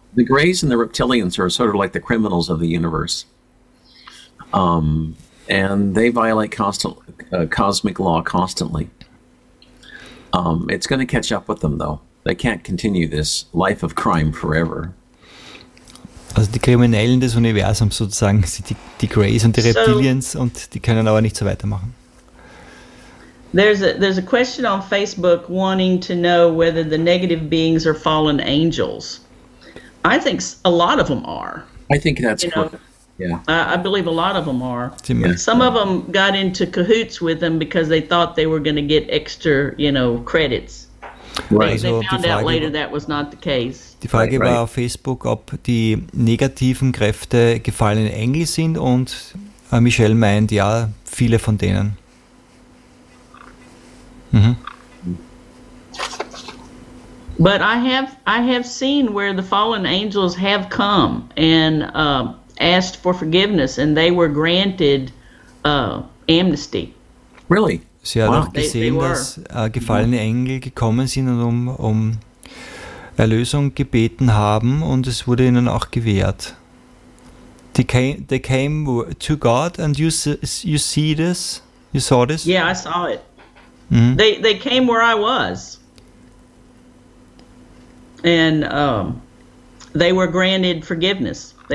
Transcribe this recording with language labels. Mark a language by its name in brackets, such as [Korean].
[English] The Greys and the Reptilians are sort of like the criminals of the universe. And they violate cosmic law constantly. It's going to catch up with them, though. They can't continue this life of crime forever. [German] Also die Kriminellen des Universums sozusagen sind die Greys und die Reptilians, und die können aber nicht so weitermachen. [English] There's a question on Facebook wanting to know whether the negative beings are fallen angels. I think a lot of them are. I think that's correct. I believe a lot of them are. Some of them got into cahoots with them because they thought they were going to get extra, you know, credits. Right. They found out later that was not the case. [German] Die Frage war auf Facebook, ob die negativen Kräfte gefallene Engel sind, und Michelle meint, ja, viele von denen. Mm-hmm. [English] But I have seen where the fallen angels have come and asked for forgiveness, and they were granted amnesty. Really? [German] Sie hat auch gesehen, dass gefallene Engel gekommen sind und um Erlösung gebeten haben, und es wurde ihnen auch gewährt. [English] They came to God, and you saw this? Yeah, I saw it. Mm-hmm. They came where I was, and they were granted forgiveness.